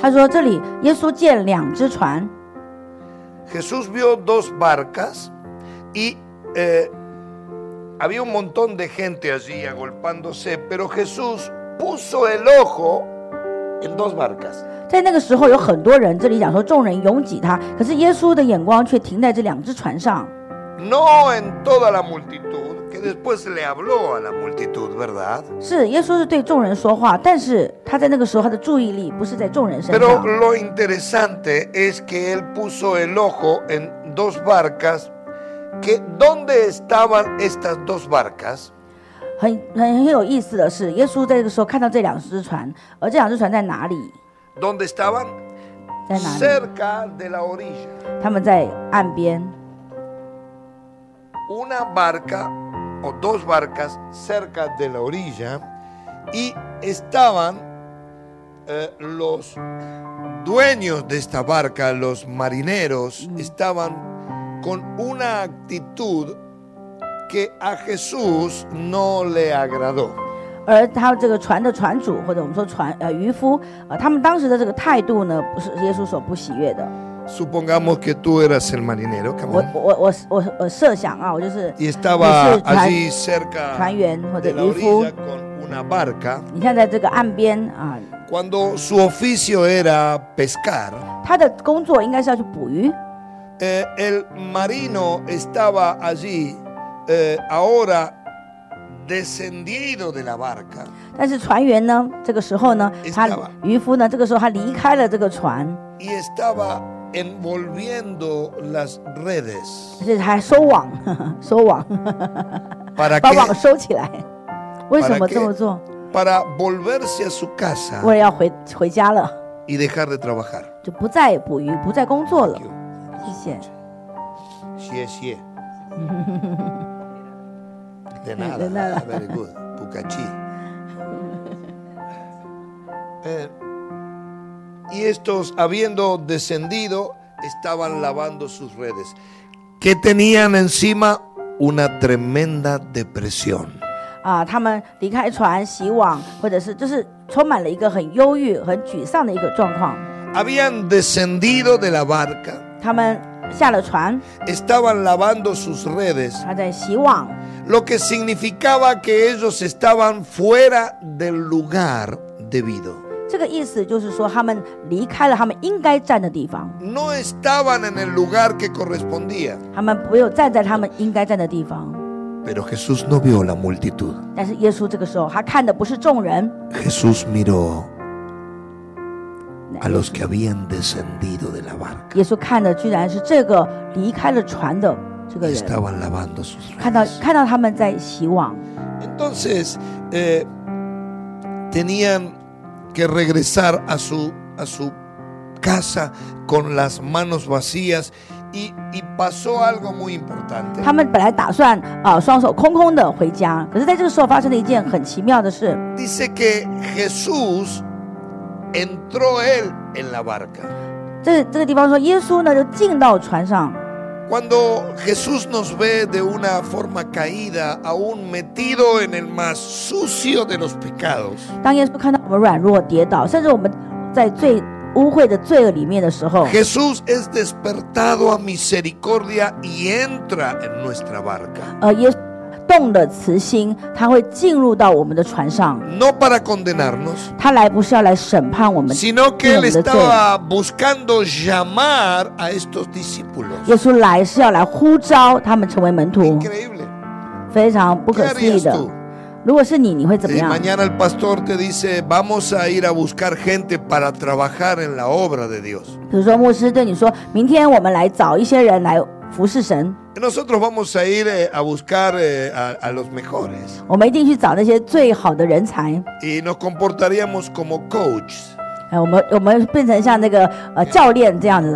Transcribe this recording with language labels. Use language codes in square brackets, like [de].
[zh] 他说这里耶稣见两只船。 [es] Jesús vio dos barcas y había un montón de gente allí agolpándose, pero Jesús puso el ojo en dos barcas. [zh] 在那个时候有很多人，这里讲说众人拥挤他，可是耶稣的眼光却停在这两只船上。 [es] No en toda la multitud, que después le habló a la multitud, ¿verdad? [zh] 是耶稣是对众人说话，但是他在那个时候他的注意力不是在众人身上。 [es] Pero lo interesante es que él puso el ojo en dos barcas. Que dónde estaban estas dos barcas? [zh] 很有意思的是，耶稣在这个时候看到这两只船，而这两只船在哪里 [es] ？Dónde estaban? [zh] 在哪里 [es] ？Cerca de la orilla. [zh] 他们在岸边。 [es] Una barca o dos barcas cerca de la orilla y estaban los dueños de esta barca, los marineros, estaban con una actitud que a Jesús no le agradó. [zh] 而他这个船的船主或者我们说渔夫，他们当时的这个态度呢，不是耶稣所不喜悦的。 [es] Supongamos que tú eras el marinero. [en] Come on. [zh] 我设想啊，我就是。 [es] Y estaba allí cerca. [zh] 船员或者渔夫。 [es] Con una barca. [zh] 你现在在这个岸边啊。 [es] Cuando su oficio era pescar. [zh] 他的工作应该是要去捕鱼。 [es] El marino estaba allí, ahora descendido de la barca. [zh] 但是船员呢？这个时候呢？他渔夫呢？这个时候他离开了这个船。 [es] Y estaba envolviendo las redes. [zh] 而且还收网，收网， [es] para [zh] 把网收起来。为什么这么做 [es] ？Para volverse a su casa. [zh] 为了要回家了。 [es] Y dejar de trabajar. [zh] 就不再捕鱼，不再工作了。谢谢。谢谢。 [es] De nada. [en] Very good. [es] Pukachi. Y estos, habiendo descendido, estaban lavando sus redes, que tenían encima una tremenda depresión. [zh] 啊，他们离开船洗网，或者是就是充满了一个很忧郁、很沮丧的一个状况。 [es] Habían descendido de la barca. [zh] 他们下了船。 [es] Estaban lavando sus redes. [zh] 他在洗网。 [es] Lo que significaba que ellos estaban fuera del lugar debido. [zh] 这个意思就是说他们离开了他们应该站的地方 [es] no estaban en el lugar que correspondía [zh] 他们没有站在他们应该站的地方 [es] pero Jesús no vio la multitud [zh] 但是耶稣这个时候他看的不是众人 [es] Jesús miró a los que habían descendido de la barca [zh] 耶稣看的居然是这个离开了船的这个人 [es] estaban lavando sus redes [zh] 看到他们在洗网 [es] entonces tenían que regresar a su casa con las manos vacías y pasó algo muy importante. [zh] 他们本来打算双手空空的回家，可是在这个时候发生了一件很奇妙的事。 [es] Dice que Jesús entró él en la barca. [zh] 这个地方说耶稣呢就进到船上。 [es] Cuando Jesús nos ve de una forma caída, aún metido en el más sucio de los pecados. [zh] 当耶稣看到我们软弱跌倒，甚至我们在最污秽的罪恶里面的时候， [es] Jesús es despertado a misericordia y entra en nuestra barca. [zh] 耶稣动了慈心，他会进入到我们的船上。 [es] No para condenarnos. [zh] 他来不是要来审判我们， [es] sino que él estaba buscando llamar a estos discípulos. [zh] 耶稣来是要来呼召他们成为门徒。 [es] Increíble. [zh] 非常不可思议的。如果是你，你会怎么样？ [es] Mañana el pastor te dice, vamos a ir a buscar gente para trabajar en la obra de Dios. [zh] 比如说牧师对你说，明天我们来找一些人来服侍神。 [es] Nosotros vamos a ir a buscar a los mejores. [zh] 我们一定去找那些最好的人才。 [es] Y nos comportaríamos como coaches. [zh] 我们变成像那个教练这样子。